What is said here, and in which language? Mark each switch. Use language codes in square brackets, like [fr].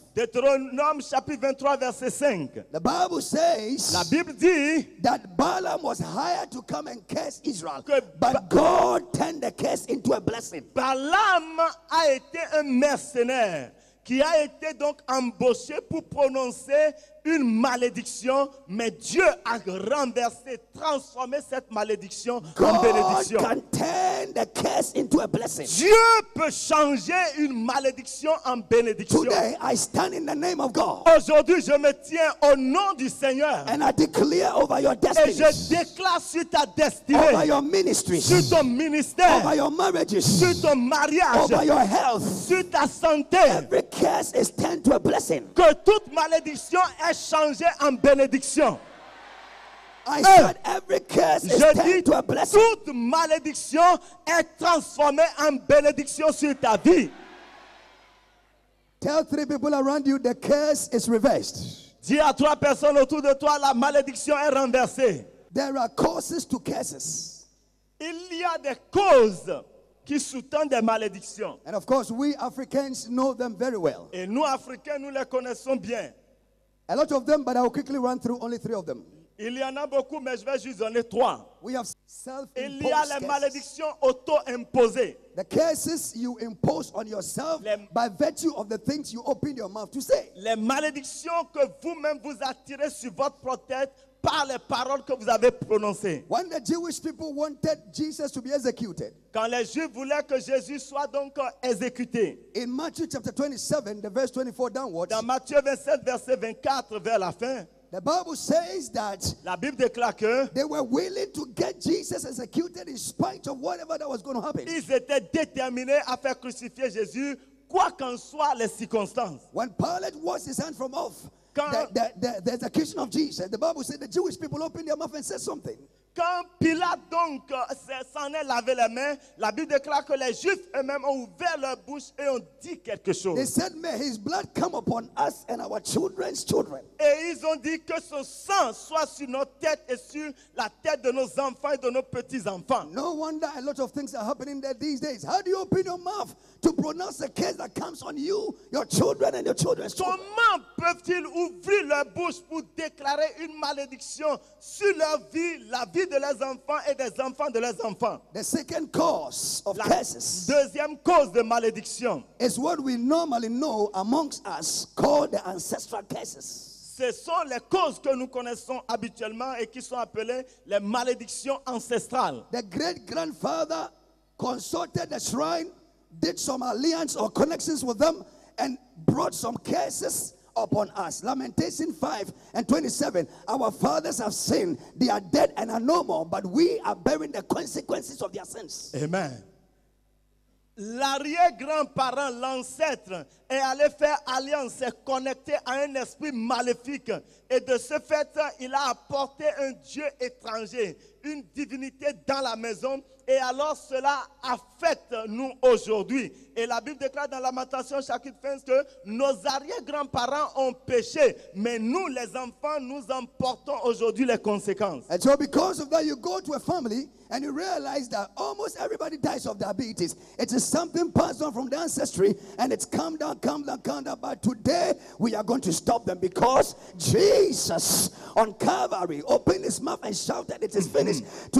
[fr] Deutéronome chapitre 23 verset 5. [en] The Bible says, [fr] la Bible dit, [en] that Balaam was hired to come and curse Israel, but God turned the curse into a blessing. [fr] Balaam a été un mercenaire qui a été donc embauché pour prononcer une malédiction, mais Dieu a renversé, transformé cette malédiction en bénédiction. [en] God can turn the curse into a blessing. [fr] Dieu peut changer une malédiction en bénédiction. [en] Today I stand in the name of God. [fr] Aujourd'hui, je me tiens au nom du Seigneur. [en] And I declare over your destiny. [fr] Et je déclare sur ta destinée. [en] Over your ministry. [fr] Sur ton ministère. [en] Over your marriages. [fr] Sur ton mariage. [en] Over your health. [fr] Sur ta santé. [en] Every curse is turned to a blessing. [fr] Que toute malédiction est changé en bénédiction. Je dis, toute malédiction est transformée en bénédiction sur ta vie. [en] Tell three people around you the curse is reversed. [fr] Dis à trois personnes autour de toi, la malédiction est renversée. [en] There are causes to curses. [fr] Il y a des causes qui sous-tend des malédictions. [en] And of course, we Africans know them very well. [fr] Et nous Africains, nous les connaissons bien. [en] A lot of them, but I will quickly run through only three of them. [fr] Il y en a beaucoup, mais je vais juste donner trois. [en] We have self-imposed [fr] Il y a les [en] curses. [fr] Malédictions auto-imposées. [en] The curses you impose on yourself by virtue of the things you open your mouth to say. [fr] Les malédictions que vous-même vous attirez sur votre tête par les paroles que vous avez prononcées. [en] When the Jewish people wanted Jesus to be executed. [fr] Quand les Juifs voulaient que Jésus soit donc exécuté. [en] In Matthew chapter 27, the verse 24 downwards. [fr] Dans Matthieu 27, verset 24 vers la fin. [en] The Bible says that [fr] la Bible déclare que [en] they were willing to get Jesus executed in spite of whatever that was going to happen. [fr] Ils étaient déterminés à faire crucifier Jésus quoi qu'en soient les circonstances. [en] When Pilate washed his hand from off. The execution of Jesus. The Bible said the Jewish people opened their mouth and said something. [fr] Quand Pilate donc s'en est lavé les mains, la Bible déclare que les Juifs eux-mêmes ont ouvert leur bouche et ont dit quelque chose. [en] They said, "May his blood come upon us and our children's children." [fr] Et ils ont dit que son sang soit sur nos têtes et sur la tête de nos enfants et de nos petits-enfants. [en] No wonder a lot of things are happening there these days. How do you open your mouth to pronounce a curse that comes on you, your children and your children's children? [fr] Comment peuvent-ils ouvrir leur bouche pour déclarer une malédiction sur leur vie, la vie de leurs enfants et des enfants de leurs enfants? [en] The second cause of [fr] la [en] curses. [fr] Deuxième cause de malédiction. [en] Is what we normally know amongst us called the ancestral curses. [fr] Ce sont les causes que nous connaissons habituellement et qui sont appelées les malédictions ancestrales. [en] The great grandfather consulted the shrine, did some alliance or connections with them and brought some curses upon us. Lamentation 5 and 27. Our fathers have sinned. They are dead and are no more, but we are bearing the consequences of their sins. Amen. [fr] L'arrière-grand-parent, l'ancêtre, est allé faire alliance, s'est connecté à un esprit maléfique. Et de ce fait, il a apporté un dieu étranger, une divinité dans la maison. Et alors cela affecte nous aujourd'hui. Et la Bible déclare dans Lamentation chapitre 15 que nos arrière-grands-parents ont péché, mais nous, les enfants, nous en portons aujourd'hui les conséquences. [en] And so because of that, you go to a family and you realize that almost everybody dies of diabetes. It is something passed on from the ancestry and it's come down. But today we are going to stop them because Jesus on Calvary opened his mouth and shouted, "It is finished." Mm-hmm.